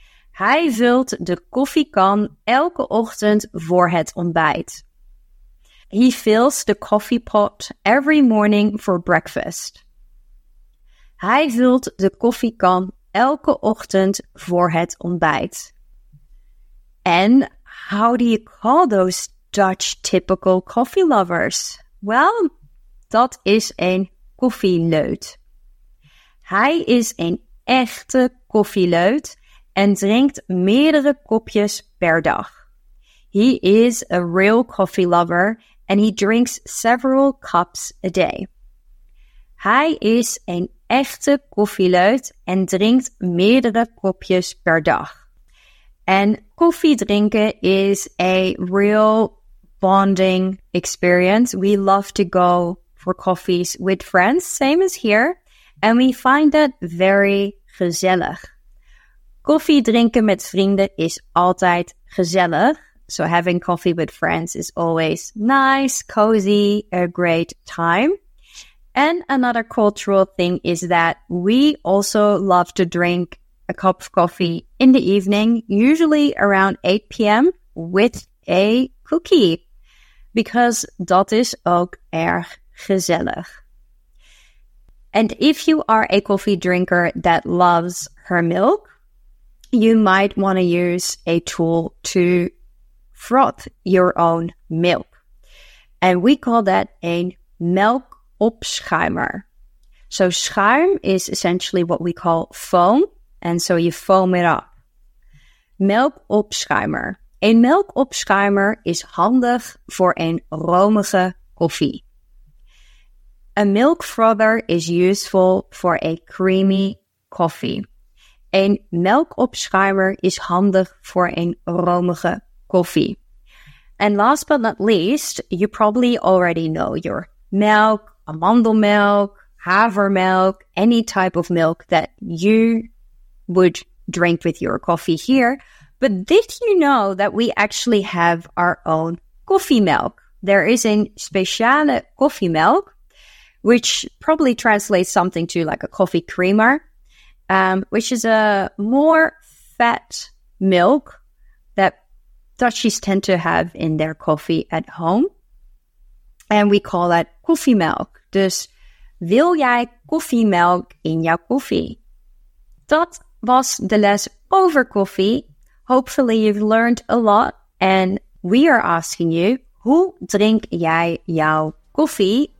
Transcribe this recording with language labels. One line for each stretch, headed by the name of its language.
Dutch: Hij vult de koffiekan elke ochtend voor het ontbijt.
English: He fills the coffee pot every morning for breakfast.
Dutch: Hij vult de koffiekan elke ochtend voor het ontbijt.
English: And how do you call those Dutch typical coffee lovers?
Dutch: Well, dat is een koffieleut. Hij is een echte koffieleut. En drinkt meerdere kopjes per dag.
English: He is a real coffee lover and he drinks several cups a day.
Dutch: Hij is een echte koffieleut en drinkt meerdere kopjes per dag. En koffie drinken
English: is a real bonding experience. We love to go for coffees with friends, same as here. And we find that very gezellig.
Dutch: Koffie drinken met vrienden is altijd gezellig.
English: So having coffee with friends is always nice, cozy, a great time. And another cultural thing is that we also love to drink a cup of coffee in the evening, usually around 8 p.m. with a cookie. Because
Dutch: dat is ook erg gezellig.
English: And if you are a coffee drinker that loves her milk, you might want to use a tool to froth your own milk. And we call that a melkopschuimer. So schuim is essentially what we call foam. And so you foam it up. Melkopschuimer.
Dutch: A melkopschuimer is handig voor een romige koffie.
English: A milk frother is useful for a creamy coffee.
Dutch: Een melkopschuimer is handig voor een romige koffie.
English: And last but not least, you probably already know your milk, amandelmelk, havermelk, any type of milk that you would drink with your coffee here. But did you know that we actually have our own coffee milk? There is a speciale coffee milk, which probably translates something to like a coffee creamer, which is a more fat milk that Dutchies tend to have in their coffee at home. And we call that coffee milk.
Dutch: Dus wil jij coffee milk in jouw koffie? Dat was de les over koffie.
English: Hopefully you've learned a lot. And we are asking you,
Dutch: hoe drink jij jouw koffie?